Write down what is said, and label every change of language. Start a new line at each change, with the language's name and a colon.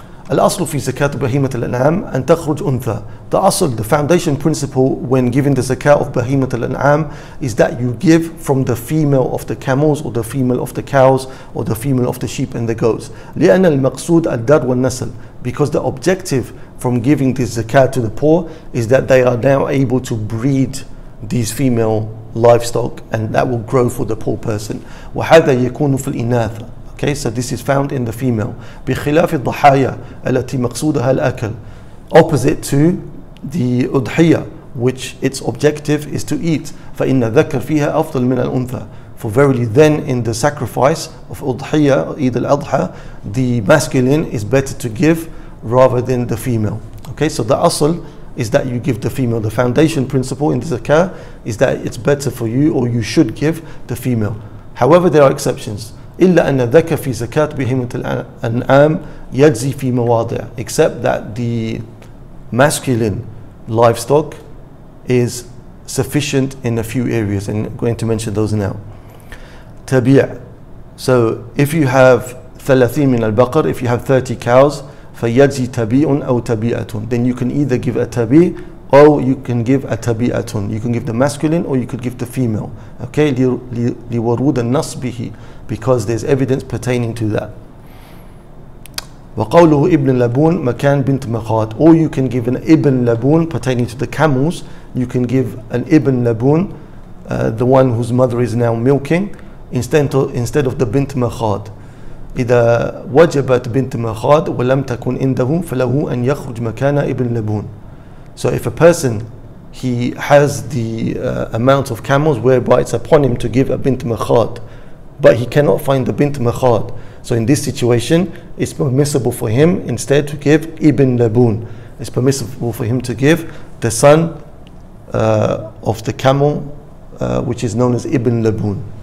Arabic: الأصل في زكاة بهيمة الأنعام أن تخرج أنثى.
English: The أصل, the foundation principle when giving the zakat of بهيمة الأنعام is that you give from the female of the camels or the female of the cows or the female of the sheep and the goats.
Arabic: لأن المقصود الدر والنسل.
English: Because the objective from giving this zakat to the poor is that they are now able to breed these female livestock and that will grow for the poor person.
Arabic: وهذا يكون في الإناث.
English: Okay, so this is found in the female.
Arabic: بخلاف الضحايا التي مقصودها الأكل.
English: Opposite to the udhiyah, which its objective is to eat.
Arabic: فإن ذكر فيها أفضل من الأنثى.
English: For verily then in the sacrifice of udhiyah, Eid al-Adha, the masculine is better to give rather than the female. Okay, so the asl is that you give the female. The foundation principle in the zakah is that it's better for you, or you should give the female. However, there are exceptions.
Arabic: إِلَّا أَنَّ ذَكَ فِي زَكَاتْ بِهِمَةِ الْأَنْعَامِ يَجْزِي فِي مَوَاضِعِ.
English: Except that the masculine livestock is sufficient in a few areas, and I'm going to mention those now.
Arabic: تَبِيعَ.
English: So if you have 30
Arabic: مِنَ الْبَقَرِ,
English: if you have 30 cows,
Arabic: فَيَجْزِي تَبِيعٌ أَوْ تَبِيعَةٌ,
English: then you can either give a tabi, or you can give a tabi'atun. You can give the masculine or you could give the female. Okay,
Arabic: لورود النص به,
English: because there's evidence pertaining to that.
Arabic: وقوله ابن لبون مكان بنت مخاد.
English: Or you can give an ibn labun pertaining to the camels. You can give an ibn labun, the one whose mother is now milking, instead of the bint makhad.
Arabic: إذا وجبت بنت مخاد ولم تكن عنده فله أن يخرج مكان ابن لبون.
English: So if a person, he has the amount of camels whereby it's upon him to give a bint makhad, but he cannot find the bint makhad, so in this situation, it's permissible for him instead to give ibn labun. It's permissible for him to give the son of the camel, which is known as ibn labun.